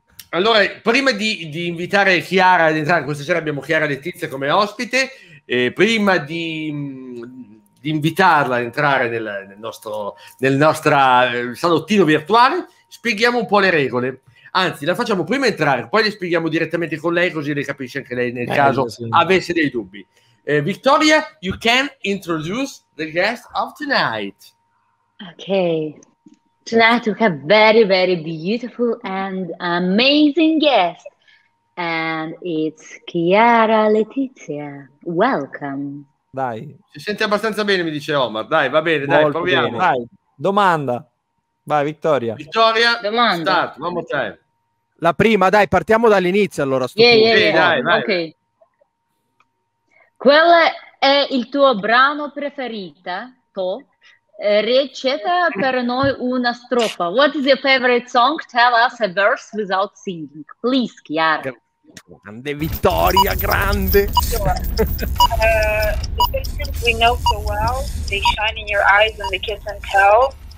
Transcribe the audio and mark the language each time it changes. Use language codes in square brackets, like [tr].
[it] Allora, prima di invitare Chiara ad entrare, questa sera abbiamo Chiara Letizia come ospite, e prima di invitarla ad entrare nel nostro salottino virtuale, spieghiamo un po' le regole. Anzi, la facciamo prima entrare, poi le spieghiamo direttamente con lei, così le capisce anche lei nel caso avesse dei dubbi. [en] Victoria, you can introduce the guest of tonight. Okay. Tonight we have very, very beautiful and amazing guest. And it's Chiara Letizia. Welcome. [it] Dai. Si sente abbastanza bene, mi dice Omar. Dai, va bene, molto dai, proviamo. Bene. Dai, domanda. Vai, Victoria. [en] Victoria, [it] domanda. [en] Start, one more time. [it] La prima, dai, partiamo dall'inizio allora. Dai. Ok. Qual è il tuo brano preferito? To? Recita per noi una strofa. [en] What is your favorite song? Tell us a verse without singing. Please, Chiara. [it] Grande Vittoria, grande! [en] The things we know so well, they shine in your eyes and the kiss and tell.